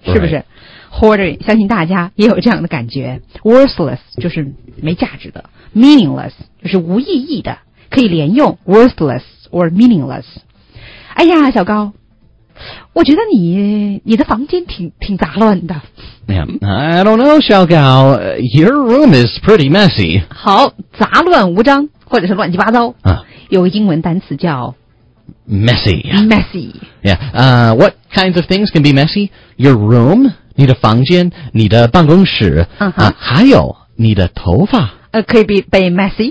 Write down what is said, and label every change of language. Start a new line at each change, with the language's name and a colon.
Chinese: 是不是 ？Hoarding， 相信大家也有这样的感觉。 Worthless 就是没价值的 ，meaningless 就是无意义的，可以连用 worthless。
English: Or meaningless.
Chinese: 哎呀，小高，我觉得你的房间挺杂乱的。
English: Yeah, I don't know, 小高, your room is pretty messy.
Chinese: 好，杂乱无章，或者是乱七八糟。有英文单词叫
English: Messy. Yeah. What kinds of things can be messy? Your room,
Chinese: 你的房间，你的办公室，还有你的头发。可以被 messy?